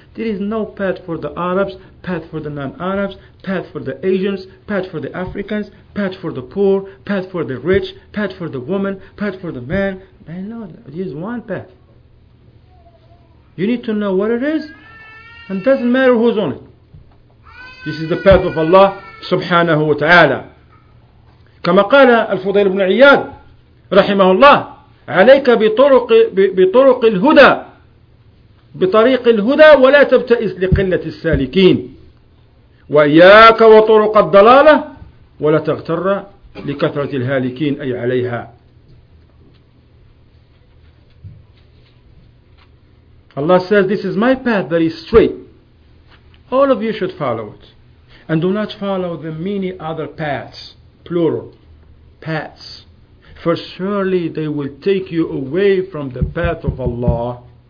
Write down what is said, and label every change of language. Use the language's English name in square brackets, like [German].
[English] There is no path for the Arabs, path for the non-Arabs, path for the Asians, path for the Africans, path for the poor, path for the rich, path for the woman, path for the man. No, there is one path. You need to know what it is, and doesn't matter who's on it. This is the path of Allah subhanahu wa ta'ala. [Arabic] كما قال الفضيل بن عياد رحمه الله عليك بطرق الهدى بطريق الهدى ولا تبتئس لقلة السالكين وإياك وطرق الضلالة ولا تغتر لكثرة الهالكين أي عليها. [English] Allah says, this is my path that is straight. All of you should follow it. And do not follow the many other paths, plural, paths. For surely they will take you away from the path of Allah.